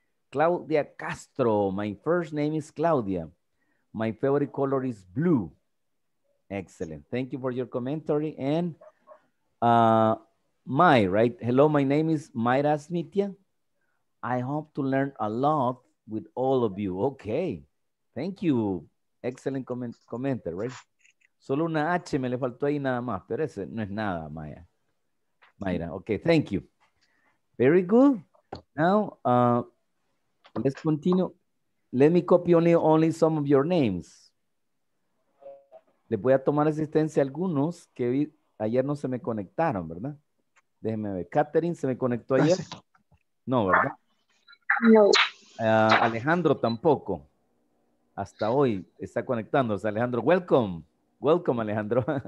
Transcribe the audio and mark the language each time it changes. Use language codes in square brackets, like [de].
[en] Claudia Castro. My first name is Claudia. My favorite color is blue. Excellent. Thank you for your commentary. And May, right? Hello, my name is Mayra Smitia. I hope to learn a lot with all of you. Okay. Thank you. Excellent commentary, right? [es] Solo una H me le faltó ahí nada más, pero ese no es nada, Maya. [en] Mayra, okay, thank you. Very good. Now, let's continue. Let me copy only some of your names. [es] Les voy a tomar asistencia a algunos que vi, ayer no se me conectaron, ¿verdad? Déjenme ver. Catherine, ¿se me conectó ayer? No, ¿verdad? No. Alejandro tampoco. Hasta hoy está conectándose. [en] Alejandro, welcome. Welcome, Alejandro.